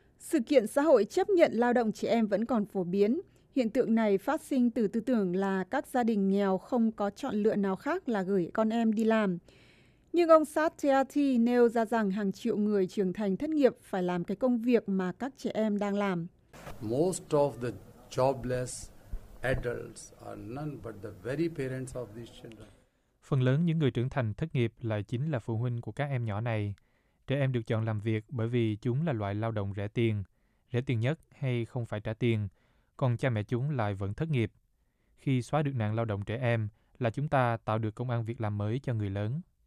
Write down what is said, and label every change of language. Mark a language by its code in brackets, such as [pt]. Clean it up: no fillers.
[vi] Sự kiện xã hội chấp nhận lao động trẻ em vẫn còn phổ biến. Hiện tượng này phát sinh từ tư tưởng là các gia đình nghèo không có chọn lựa nào khác là gửi con em đi làm. Nhưng ông Satyarthi nêu ra rằng hàng triệu người trưởng thành thất nghiệp phải làm cái công việc mà các trẻ em đang làm. [en] Most of the jobless adults are none but the very parents of these children. [vi] Phần lớn những người trưởng thành thất nghiệp lại chính là phụ huynh của các em nhỏ này. Trẻ em được chọn làm việc bởi vì chúng là loại lao động rẻ tiền nhất hay không phải trả tiền, còn cha mẹ chúng lại vẫn thất nghiệp. Khi xóa được nạn lao động trẻ em là chúng ta tạo được công ăn việc làm mới cho người lớn.